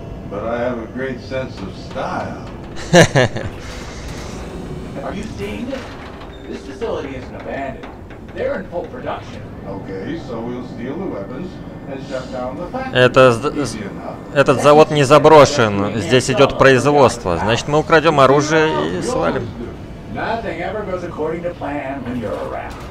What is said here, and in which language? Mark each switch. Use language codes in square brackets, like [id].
[en] But I have a great sense of style. Are you seeing this? This facility isn't abandoned. They're in full production. Okay, so we'll steal the weapons and shut down the factory. [ru] Этот завод не заброшен. Здесь идет производство. Значит, мы украдем оружие и свалим. [en] Nothing ever goes according to plan when you're around.